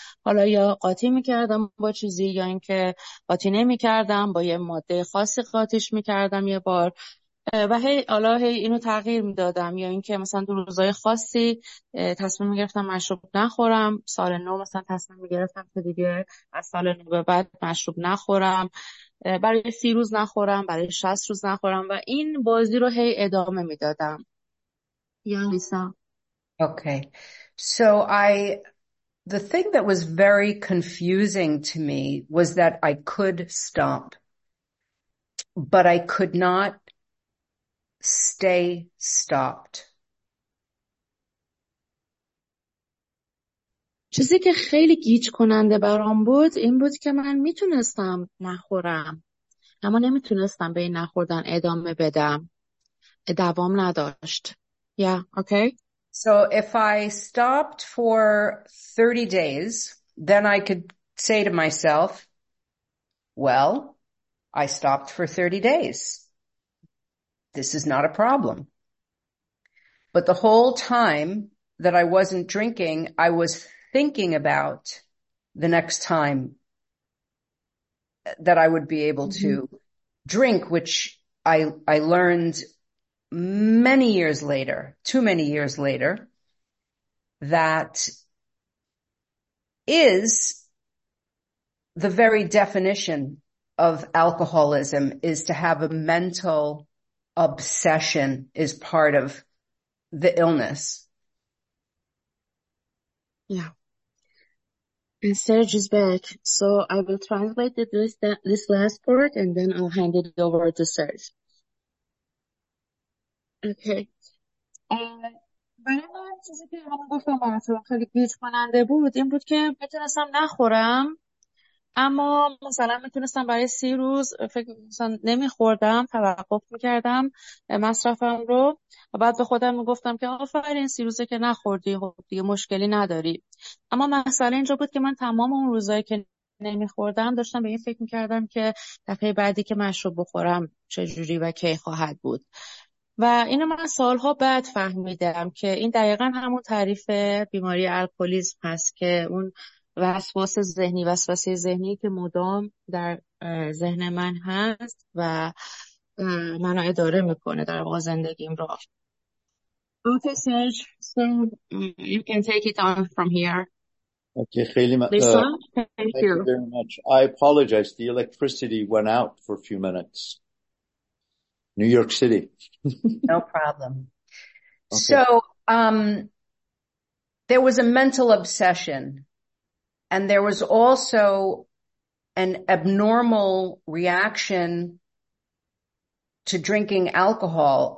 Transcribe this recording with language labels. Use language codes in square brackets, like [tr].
[fa] حالا یا قاطی میکردم با چیزی، یا اینکه قاطی نمیکردم، با یه ماده خاصی قاطیش میکردم یه بار و هی حالا هی اینو تغییر میدادم، یا اینکه مثلا در روزهای خاصی تصمیم میگرفتم مشروب نخورم، سال نو مثلا تصمیم میگرفتم که دیگه از سال نو به بعد مشروب نخورم، برای 30 روز نخورم، برای 60 روز نخورم، و این بازی رو هی ادامه میدادم. یا لیسا؟ [en] Okay. So the thing that was very confusing to me was that I could stop, but I could not stay stopped. [fa] چیزی که خیلی گیج کننده برام بود این بود که من میتونستم نخورم، اما نمیتونستم به این نخوردن ادامه بدم. دوام نداشت. [en] Yeah, okay. So if I stopped for 30 days, then I could say to myself, well, I stopped for 30 days. This is not a problem. But the whole time that I wasn't drinking, I was thinking about the next time that I would be able to drink, which I learned many years later, too many years later, that is the very definition of alcoholism, is to have a mental obsession is part of the illness. Yeah. And Serge is back. So I will translate this last part and then I'll hand it over to Serge. Okay. [fa] برای من چیزی که همون گفتم براتون خیلی گیج کننده بود این بود که میتونستم نخورم، اما مثلا میتونستم برای 30 روز فکر مثلا نمیخوردم، توقف میکردم مصرفم رو و بعد به خودم میگفتم که آفرین 30 روزه که نخوردی، خب دیگه مشکلی نداری. اما مسئله اینجا بود که من تمام اون روزایی که نمیخوردم داشتم به این فکر میکردم که دفعه بعدی که مشروب بخورم چجوری و کی خواهد بود. و اینو من سالها بعد فهمیدم که این دقیقا همون تعریف بیماری الکلیسم هست، که اون وسواس ذهنی، وسواسی ذهنی که مدام در ذهن من هست و منو اداره میکنه در واقع زندگیم را. [en] Okay, Serge. So you can take it on from here. Okay, خیلی thank you very much. I apologize. The electricity went out for a few minutes. New York City. No problem. Okay. So there was a mental obsession and there was also an abnormal reaction to drinking alcohol.